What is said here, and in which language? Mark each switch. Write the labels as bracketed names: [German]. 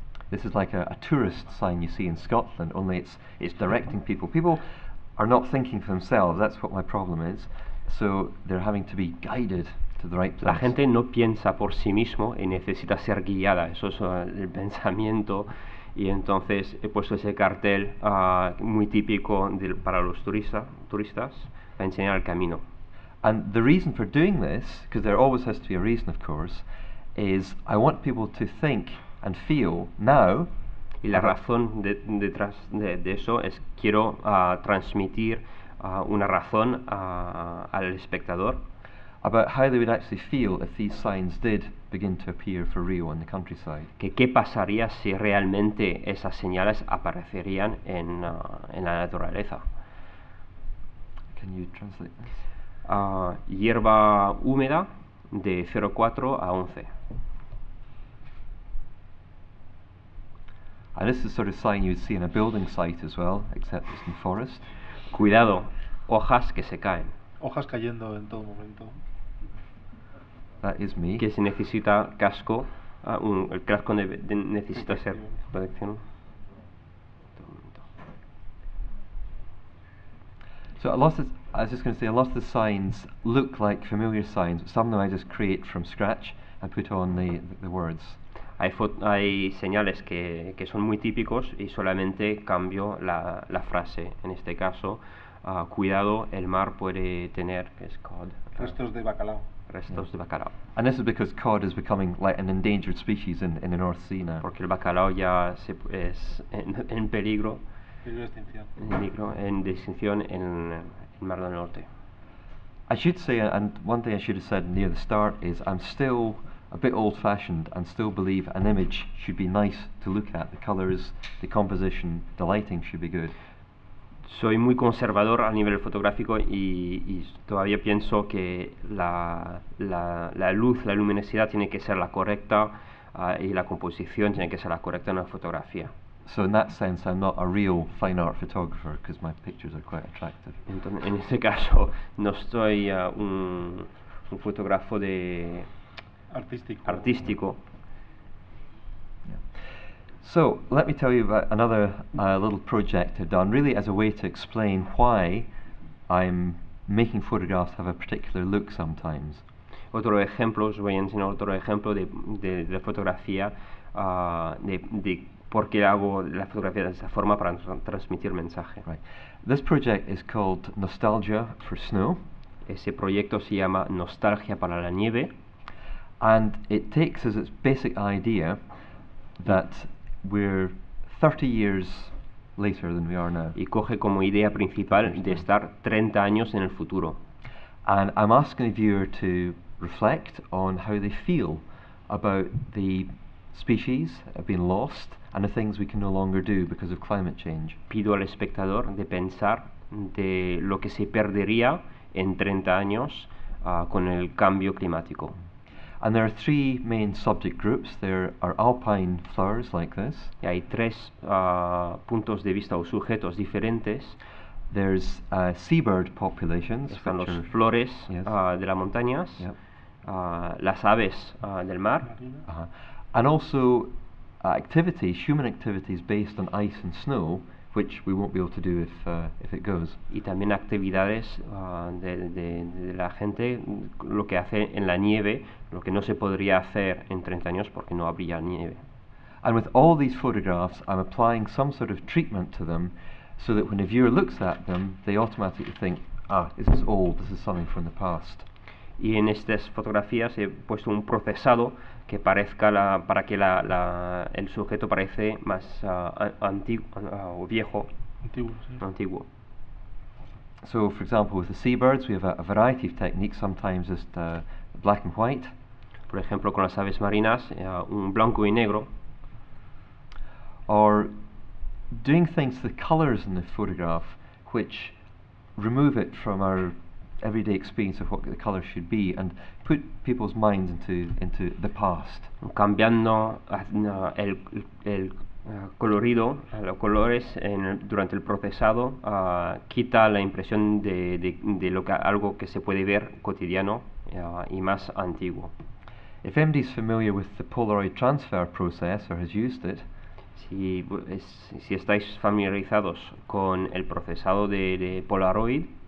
[English] This is like a tourist sign you see in Scotland, only it's directing people. People are not thinking for themselves, that's what my problem is. So they're having to be guided to the right place. [Spanish] La gente no piensa por sí mismo y necesita ser guiada. Eso es el pensamiento. Y entonces he puesto ese cartel muy típico para los turistas para enseñar el camino. [English] And the reason for doing this, because there always has to be a reason, of course, is I want people to think and feel now. [Spanish] Y la razón detrás de eso es quiero transmitir una razón al espectador [English] about how they would actually feel if these signs did begin to appear for real in the countryside. [Spanish] ¿Qué pasaría si realmente esas señales aparecerían en la naturaleza? [English] Can you translate this? [Spanish] Hierba húmeda de 0.4 a 11. [English] And this is the sort of sign you'd see in a building site as well, except it's in forest. [Spanish] Cuidado, hojas que se caen. Hojas cayendo en todo momento. [English] That is me. [Spanish] Que se necesita casco. El casco necesita ser protección. [English] So a lot of, I was just going to say, a lot of the signs look like familiar signs, but some of them I just create from scratch and put on the words. [Spanish] Hay señales que son muy típicos y solamente cambio la frase. En este caso, cuidado, el mar puede tener, es cod. Restos de bacalao. Restos de bacalao. [English] And this is because cod is becoming like an endangered species in the North Sea now. [Spanish] Porque el bacalao ya es en peligro. Peligro de extinción. En Mar del Norte. [English] I should say, and one thing I should have said near the start is I'm still a bit old-fashioned and still believe an image should be nice to look at. The colors, the composition, the lighting should be good. [Spanish] Soy muy conservador a nivel fotográfico y todavía pienso que la luz, la luminosidad tiene que ser la correcta y la composición tiene que ser la correcta en la fotografía. [English] So in that sense, I'm not a real fine art photographer because my pictures are quite attractive. [Spanish] Entonces, en este caso, no soy un fotógrafo de artístico. [English] Yeah. So let me tell you about another little project I've done, really as a way to explain why I'm making photographs have a particular look sometimes. [Spanish] Otro ejemplo, os voy a enseñar otro ejemplo de fotografía, de por qué hago la fotografía de esa forma para transmitir mensaje. [English] Right. This project is called Nostalgia for Snow. [Spanish] Ese proyecto se llama Nostalgia para la nieve. [English] And it takes as its basic idea that we're 30 years later than we are now. [Spanish] Y coge como idea principal de estar 30 años en el futuro. [English] And I'm asking the viewer to reflect on how they feel about the species being lost and the things we can no longer do because of climate change. [Spanish] Pido al espectador de pensar de lo que se perdería en 30 años con el cambio climático. [English] And there are three main subject groups. There are alpine flowers like this. [Spanish] Y hay tres puntos de vista o sujetos diferentes. [English] There's seabird populations. [Spanish] Están los flores, yes, de las montañas. [English] Yep. [Spanish] Las aves del mar. Uh-huh. [English] And also activities, human activities based on ice and snow, which we won't be able to do if it goes. [Spanish] Y también actividades de la gente, lo que hace en la nieve, lo que no se podría hacer en 30 años porque no habría nieve. [English] And with all these photographs, I'm applying some sort of treatment to them so that when a viewer looks at them, they automatically think, ah, this is old, this is something from the past. [Spanish] Y en estas fotografías he puesto un procesado que parezca para que el sujeto parece más antiguo o viejo. Antiguo, sí. Antiguo. [English] So, for example, with the seabirds, we have a variety of techniques, sometimes just black and white. [Spanish] Por ejemplo, con las aves marinas, un blanco y negro. [English] Or doing things to the colors in the photograph, which remove it from our everyday experience of what the color should be and put people's minds into the past. [Spanish] Cambiando el colorido, los colores durante el procesado, quita la impresión de lo que algo que se puede ver cotidiano y más antiguo. [English] If MD's familiar with the Polaroid transfer process or has used it, [Spanish] si estáis familiarizados con el procesado de Polaroid,